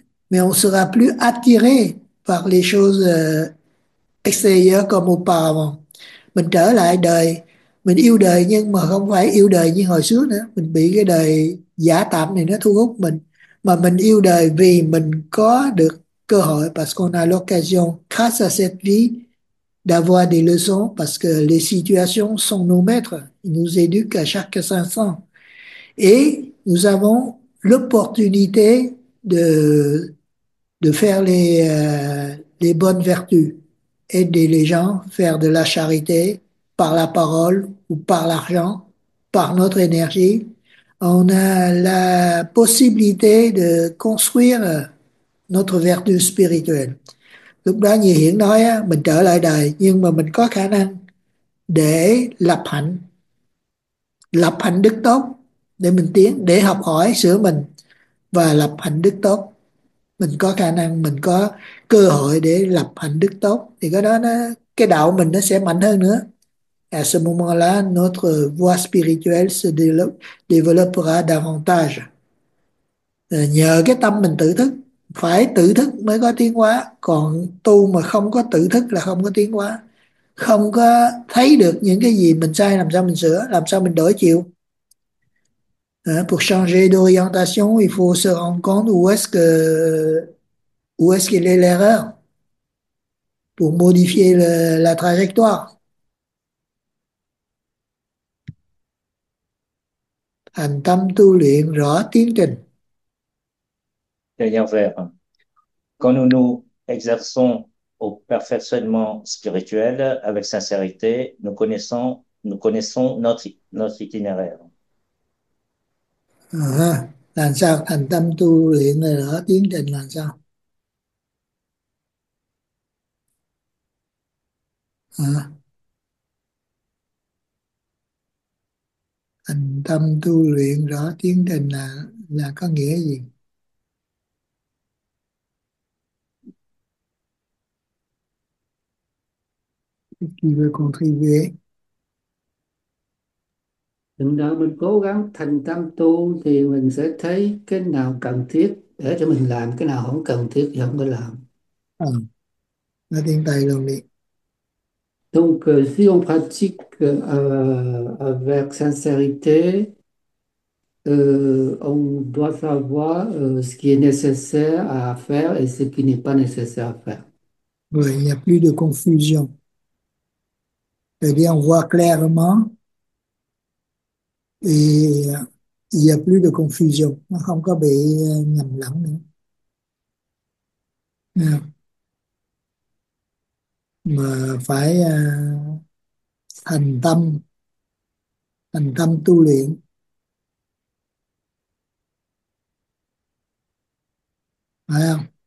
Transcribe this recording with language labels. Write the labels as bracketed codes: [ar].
[fr] Mais on sera plus attiré par les choses extérieures comme auparavant. [vi] Mình trở lại đời, mình yêu đời nhưng mà không phải yêu đời như hồi xưa nữa. Mình bị cái đời giả tạm này nó thu hút mình. Mà mình yêu đời vì mình có được cơ hội, [fr] parce qu'on a l'occasion, grâce à cette vie, d'avoir des leçons, parce que les situations sont nos maîtres, ils nous éduquent à chaque instant. Et nous avons l'opportunité de faire les bonnes vertus, aider les gens, faire de la charité par la parole ou par l'argent, par notre énergie. On a la possibilité de construire notre vertu spirituelle. [vi] Lúc đó như Hiển nói, mình trở lại đời nhưng mà mình có khả năng để lập hạnh đức tốt để mình tiến, để học hỏi sửa mình và lập hạnh đức tốt. Mình có khả năng, mình có cơ hội để lập hạnh đức tốt, thì cái đó nó cái đạo mình nó sẽ mạnh hơn nữa. [fr] À ce moment-là, notre voie spirituelle se développera davantage. [vi] Nhờ cái tâm mình tự thức, phải tự thức mới có tiến hóa. Còn tu mà không có tự thức là không có tiến hóa. Không có thấy được những cái gì mình sai, làm sao mình sửa, làm sao mình đổi chiều. [fr] Pour changer d'orientation, il faut se rendre compte où est-ce qu'il est l'erreur pour modifier la trajectoire. [vi] Hành tâm tu luyện rõ tiến trình. [fr] Le lien vert. Quand nous nous exerçons au perfectionnement spirituel avec sincérité, nous connaissons notre itinéraire. [vi] Làm sao thành tâm tu luyện này ở tiến trình làm sao? Thành tâm tu luyện rõ tiến trình là có nghĩa gì? [fr] Qui veut contribuer? [vi] Mình đợi mình cố gắng thành tâm tu thì mình sẽ thấy cái nào cần thiết để cho mình làm, cái nào không cần thiết thì không có làm. Nói tiếng Tây luôn đi. [fr] Donc, si on pratique avec sincérité, on doit savoir ce qui est nécessaire à faire et ce qui n'est pas nécessaire à faire. Oui, il n'y a plus de confusion. C'est-à-dire, on voit clairement et il n'y a plus de confusion. On ne va pas être nhầm lẫn. [vi] Mà phải thành tâm tu luyện. Phải không?